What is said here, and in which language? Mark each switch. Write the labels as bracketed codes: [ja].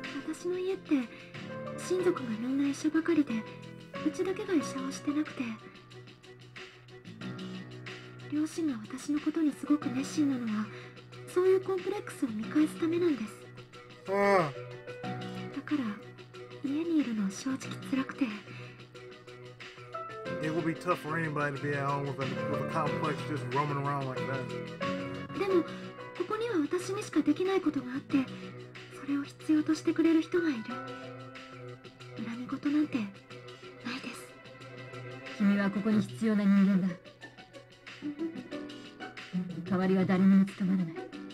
[ja] 私の家って親族がみんな医者ばかりで、うちだけが医者をしてなくて、両親が私のことにすごく熱心なのは、そういうコンプレックスを見返すためなんです。ああ。だから、家にいるのは正直辛くて。 [en] It will be tough for anybody to be at home with a complex just roaming around like that. [ja] でも、ここには私にしかできないことがあって、それを必要としてくれる人がいる。恨み事なんて、ないです。君はここに必要な人間だ。代わりは誰にも務まらない。